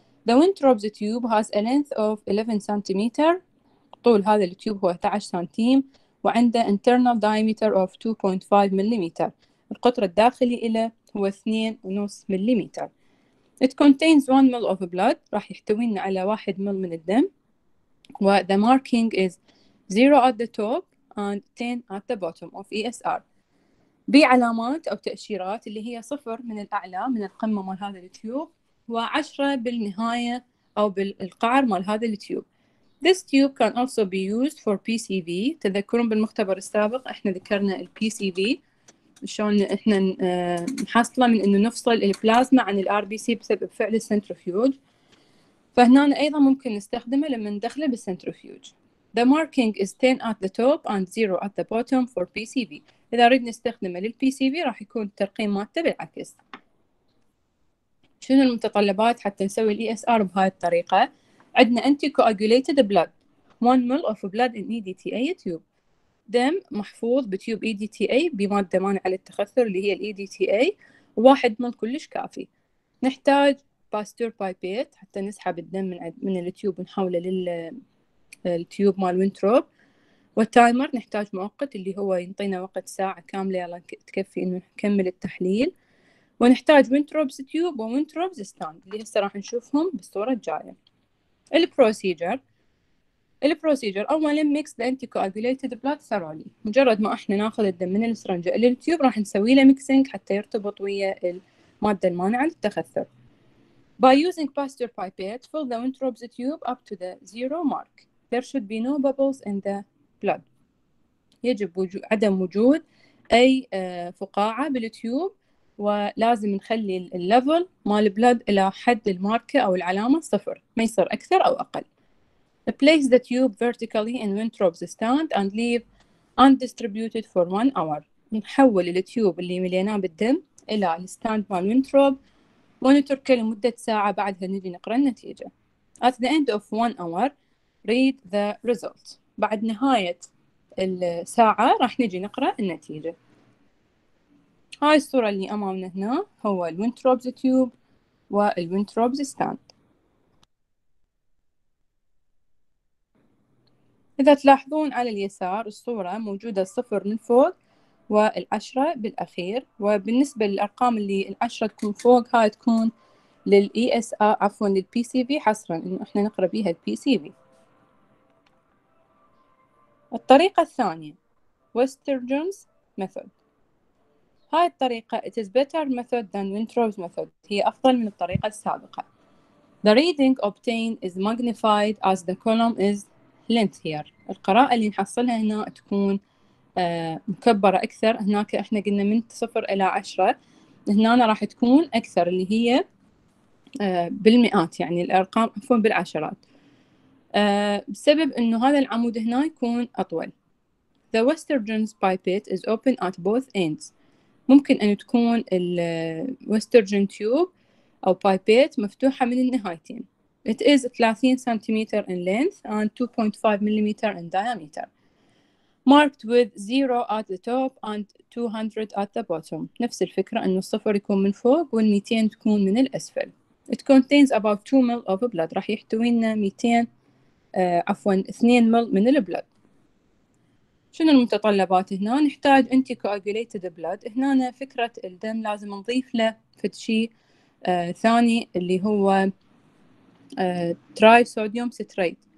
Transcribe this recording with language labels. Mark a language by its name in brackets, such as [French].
[English] The Weintraub's tube has a length of 11 centimeter، [Arabic] طول هذا التيوب هو 11 سنتيم، وعنده [English] internal diameter of 2.5 millimeter، [Arabic] القطر الداخلي إلى هو 2.5 millimeter. [English] It contains 1 ml of blood، [Arabic] راح يحتوينا على 1 ml من الدم. [English] The marking is 0 at the top and 10 at the bottom of ESR. [Arabic] بعلامات أو تأشيرات اللي هي 0 من الأعلى من القمة مال هذا التيوب و10 بالنهاية أو بالقعر مال هذا التيوب. [English] This tube can also be used for PCV. [Arabic] تذكرون بالمختبر السابق احنا ذكرنا الـ PCV شلون احنا نحصله من انه نفصل البلازما عن الـ RBC بسبب فعل السنترفيوج. فهنا أيضا ممكن نستخدمه لما ندخله بالسنترفيوج. [English] The marking is 10 at the top and 0 at the bottom for PCV. [Arabic] إذا أريد نستخدمه لل PCV راح يكون الترقيم مالته بالعكس. شنو المتطلبات حتى نسوي الـ ESR بهاي الطريقة؟ عندنا [English] anticoagulated blood 1 ml of blood in EDTA tube. [Arabic] دم محفوظ بتيوب اي دي تي اي بماده مانعه للتخثر اللي هي الاي دي تي اي، واحد مل كلش كافي. نحتاج باستور بايبيت حتى نسحب الدم من التيوب ونحوله للتيوب مال وينتروب، والتايمر نحتاج مؤقت اللي هو ينطينا وقت ساعه كامله يلا تكفي انه نكمل التحليل، ونحتاج وينتروبز تيوب وينتروبز ستاند اللي هسه راح نشوفهم بالصوره الجايه. البروسيجر اولا [English] mix the anti coagulated blood thoroughly, [Arabic] مجرد ما احنا ناخذ الدم من السرنجه للتيوب راح نسوي له ميكسينج حتى يرتبط ويا الماده المانعه للتخثر. [English] By using Pasteur pipette, fill the Wintrobs tube up to the zero mark. There should be no bubbles in the blood. [Arabic] يجب عدم وجود أي فقاعة بالتيوب، ولازم نخلي الليفل مال البلد إلى حد الماركة أو العلامة صفر، ما يصير أكثر أو أقل. [English] Place the tube vertically in Wintrobs stand and leave undistributed for one hour. [Arabic] نحول التيوب اللي مليناه بالدم إلى الستاند مال وينتروب، ونتركه لمدة ساعة، بعدها نجي نقرأ النتيجة. [English] At the end of one hour, read the result. [Arabic] بعد نهاية الساعة راح نجي نقرأ النتيجة. هاي الصورة اللي أمامنا هنا هو الوينتروبز تيوب والوينتروبز ستاند. إذا تلاحظون على اليسار الصورة موجودة الصفر من فوق والعشرة بالأخير، وبالنسبة للأرقام اللي العشرة تكون فوق هاي تكون للـ ESR عفوا للـ PCV حصراً، إنه إحنا نقرأ بيها الـ PCV. الطريقة الثانية Westergen's method. هاي الطريقة [English] it is better method than Wintrobs method، [Arabic] هي أفضل من الطريقة السابقة. [English] The reading obtained is magnified as the column is lengthier. [Arabic] القراءة اللي نحصلها هنا تكون مكبرة أكثر، هناك إحنا قلنا من 0 إلى 10، هنا أنا راح تكون أكثر اللي هي بالمئات، يعني الأرقام عفوا بالعشرات، بسبب إنه هذا العمود هنا يكون أطول. [English] The Westergen's pipette is open at both ends. [Arabic] ممكن أن تكون ال Westergen tube أو pipette مفتوحة من النهايتين. [English] It is 30 centimeter in length and 2.5 millimeter in diameter. Marked with 0 at the top and 200 at the bottom. [Arabic] نفس الفكرة أنه الصفر يكون من فوق والميتين تكون من الأسفل. [English] It contains about 2 ml of blood. [Arabic] راح يحتوينا 2 ml من البلد. شنو المتطلبات هنا؟ نحتاج [English] anticoagulated blood. [Arabic] هنا فكرة الدم لازم نضيف له في شيء ثاني اللي هو trisodium citrate.